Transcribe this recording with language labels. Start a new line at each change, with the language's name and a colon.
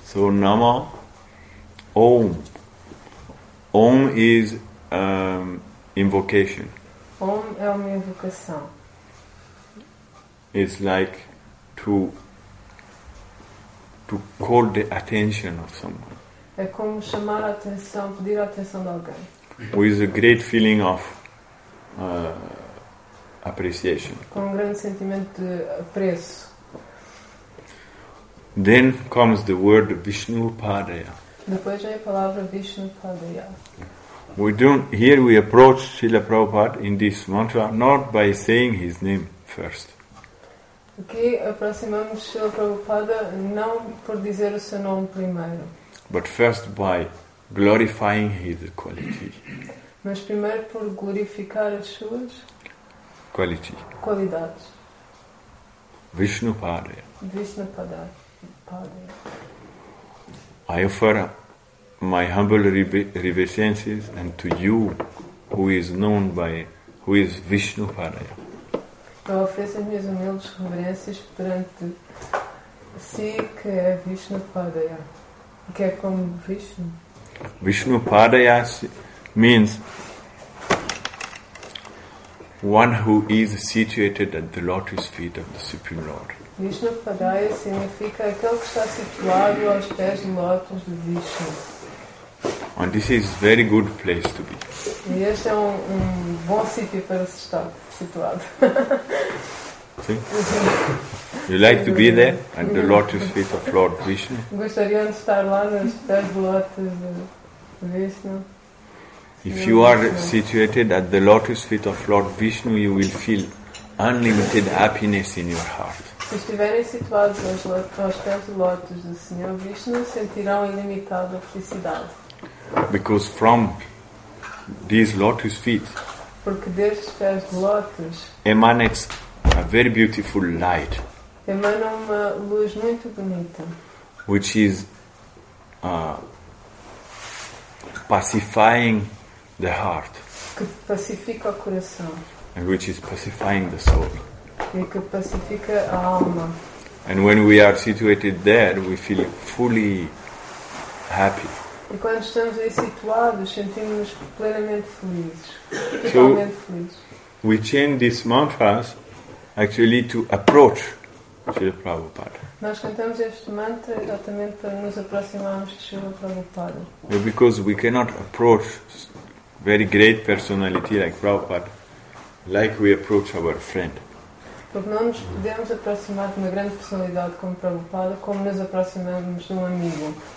English: So, Nama, Om. Om is invocation.
Portuguese: Om é uma invocação.
English: It's like to call the attention of someone.
Portuguese: É como chamar a atenção, pedir a atenção de alguém.
English: With a great feeling of appreciation.
Portuguese: Com um grande sentimento de apreço.
English: Then comes the word Vishnu Padaya.
Portuguese: Depois vem a palavra Vishnu Padaya.
English: Here we approach Srila Prabhupada in this mantra not by saying his name first.
Portuguese: Aqui aproximamos Srila Prabhupada não por dizer o seu nome primeiro.
English: But first by glorifying his quality.
Portuguese: Mas primeiro por glorificar as suas qualidades.
Sanskrit: Vishnu Padaya. Vishnu Padaya.
English: I offer my humble reverences and to you, who is known by, who is Vishnu Padaya.
Portuguese: Eu ofereço as minhas humildes reverências perante si, que é Vishnu Padaya, que é como Vishnu.
English: Vishnu Padaya means one who is situated at the lotus feet of the Supreme Lord.
Portuguese: Vishnu Padaya significa aquele que está situado aos pés do lótus de Vishnu.
English: And this is very good place to be.
Portuguese: E este é um bom sítio para se estar situado.
English: See? You like to be there at the lotus feet of Lord Vishnu?
Portuguese: Gostaria de estar lá nos pés do lótus de Vishnu.
English: If you are situated at the lotus feet of Lord Vishnu, you will feel unlimited happiness in your heart.
Portuguese: Se estiverem situados aos pés do lótus do Senhor Vishnu, sentirão ilimitada felicidade.
English: Because from these lotus feet,
Portuguese: porque destes pés de lótus,
English: emanates a very beautiful light,
Portuguese: emana uma luz muito bonita,
English: which is pacifying the heart,
Portuguese: que pacifica o coração,
English: and which is pacifying the soul,
Portuguese: e que pacifica a alma.
English: And when we are situated there, we feel fully happy.
Portuguese: E quando estamos aí situados, sentimos-nos plenamente felizes. Totalmente felizes.
English: We chant these mantras actually to approach Srila Prabhupada.
Portuguese: Nós cantamos este mantra exatamente para nos aproximarmos de Srila Prabhupada.
English: Because we cannot approach very great personality like Prabhupada like we approach our friend.
Portuguese: Porque não nos podemos aproximar de uma grande personalidade como Prabhupada como nos aproximamos de um amigo.